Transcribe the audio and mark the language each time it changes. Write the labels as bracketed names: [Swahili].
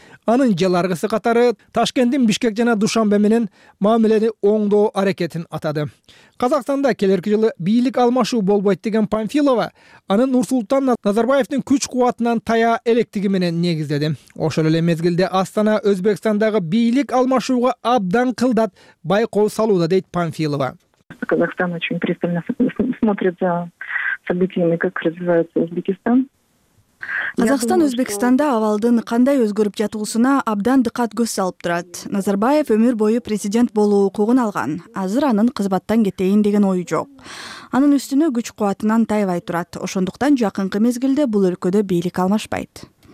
[Kyrgyz] Анын жалгысы катары Ташкенттин Бишкек жана Душанбе менен мамилени оңдоо аракетин атады. Казакстанда келерки жылы бийлик алмашуу болбойт деген Панфилова анын Нурсултан Назарбаевдин күч кубатынан таяа электиги менен негиздеди. Ошол эле мезгилде Астана Өзбекстандагы бийлик алмашууга абдан кылдат байкоо салууда дейт Панфилова. [Russian] Казахстан очень пристально смотрит за событиями, как развивается Узбекистан. [Kyrgyz] Казакстан Өзбекстанда абалдын кандай өзгөрүп жатуусуна абдан дыкат көз салып турат. Назарбаев өмүр бою президент болуу укугун алган. Азыр анын кызматтан кетейин деген ою жок. Анын үстүнө күч кубатынан тайбай турат. Ошондуктан жакынкы мезгилде бул өлкөдө бийлик алмашпайт.